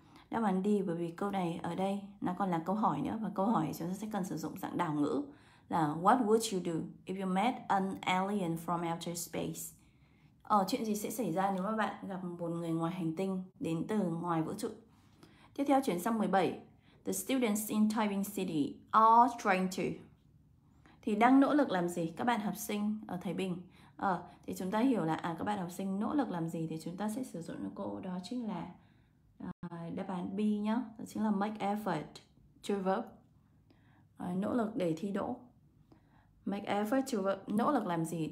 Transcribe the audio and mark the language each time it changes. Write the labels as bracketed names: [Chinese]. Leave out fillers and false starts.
[Vietnamese] Đáp án D bởi vì câu này ở đây nó còn là câu hỏi nữa, và câu hỏi chúng ta sẽ cần sử dụng dạng đảo ngữ là [English] what would you do if you met an alien from outer space? [Vietnamese] Chuyện gì sẽ xảy ra nếu mà bạn gặp một người ngoài hành tinh đến từ ngoài vũ trụ? Tiếp theo chuyển sang 17. [English] The students in Taiping City are trying to. [Vietnamese] Thì đang nỗ lực làm gì? Các bạn học sinh ở Thái Bình. Thì chúng ta hiểu là các bạn học sinh nỗ lực làm gì thì chúng ta sẽ sử dụng cho cô đó chính là đáp án B nhá. Đó chính là [English] make effort to verb. [Vietnamese] Nỗ lực để thi đỗ. [English] Make effort to verb. [Vietnamese] Nỗ lực làm gì?